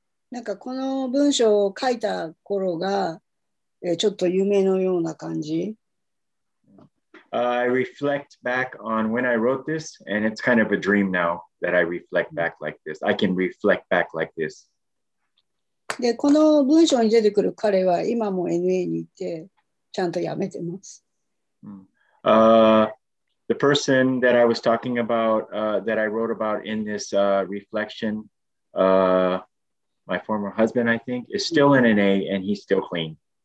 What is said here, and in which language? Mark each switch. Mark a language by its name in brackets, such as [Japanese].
[Japanese] なんかこの文章を書いた頃が、ちょっと夢のような感じ。 [English] I reflect back on when I wrote this, and it's kind of a dream now that I reflect back like this. I can reflect back like this. [Japanese] で、この文章に出てくる彼は今も NA に行ってちゃんとやめてます。 [English] The person that I was talking about, that I wrote about in this reflection, my former husband, I think, is still in NA and he's still clean.